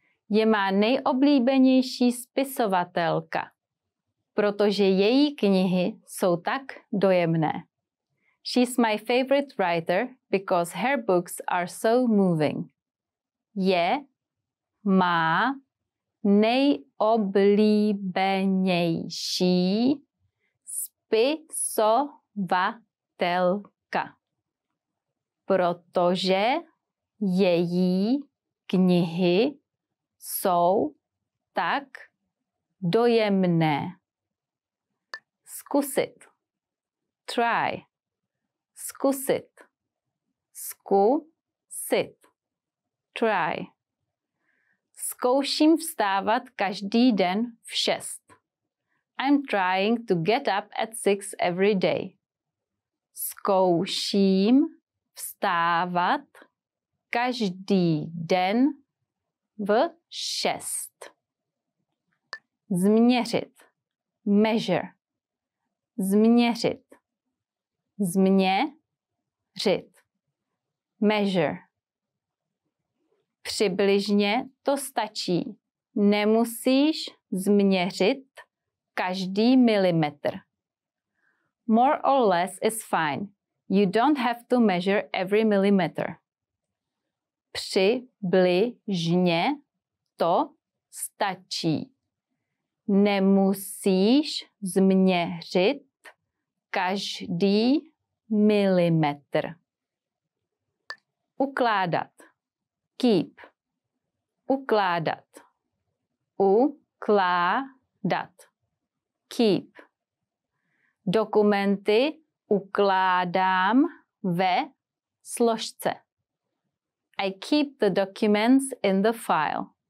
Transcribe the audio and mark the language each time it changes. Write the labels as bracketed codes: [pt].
[cs] Je má nejoblíbenější spisovatelka, protože její knihy jsou tak dojemné. [en] She's my favorite writer because her books are so moving. [cs] Je má nejoblíbenější spisovatelka. čitatelka, protože její knihy jsou tak dojemné. Zkusit. Try. Zkusit. Zkusit. Try. Zkouším vstávat každý den v 6. [en] I'm trying to get up at 6 every day. [cs] Zkouším vstávat každý den v 6. Změřit. Measure. Změřit. Změřit. Measure. Přibližně to stačí. Nemusíš změřit každý milimetr. [en] More or less is fine. You don't have to measure every millimeter. [cs] Přibližně to stačí. Nemusíš změřit každý milimetr. Ukládat. Keep. Ukládat. Ukládat. Keep. Dokumenty ukládám ve složce. [en] I keep the documents in the file.